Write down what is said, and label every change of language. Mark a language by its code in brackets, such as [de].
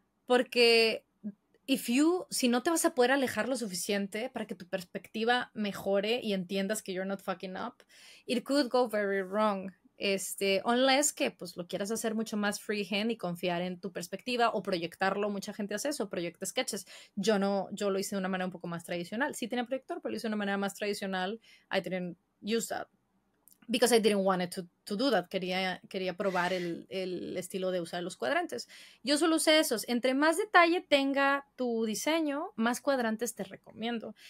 [es] Porque si no te vas a poder alejar lo suficiente para que tu perspectiva mejore y entiendas que [en] you're not fucking up, it could go very wrong. Unless [es] que pues lo quieras hacer mucho más freehand y confiar en tu perspectiva o proyectarlo, mucha gente hace eso, proyecta sketches. Yo lo hice de una manera un poco más tradicional. Sí tenía proyector, pero lo hice de una manera más tradicional. [en] I didn't use that because I didn't want to do that. [es] Quería probar el estilo de usar los cuadrantes. Yo solo usé esos. Entre más detalle tenga tu diseño, más cuadrantes te recomiendo.